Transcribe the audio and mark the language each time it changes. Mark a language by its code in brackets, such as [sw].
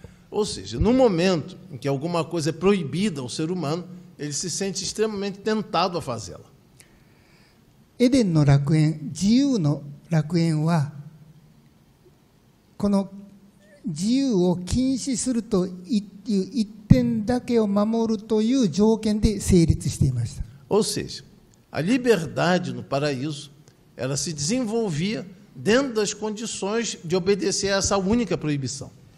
[pt] Ou seja, no momento em que alguma coisa é proibida ao ser humano, ele se sente extremamente tentado a fazê-la. [ja] エデンの楽園、自由の楽園は、この自由を禁止するという一点だけを守るという条件で成立していました。 [pt] Ou seja, a liberdade no paraíso, ela se desenvolvia dentro das condições de obedecer a essa única proibição.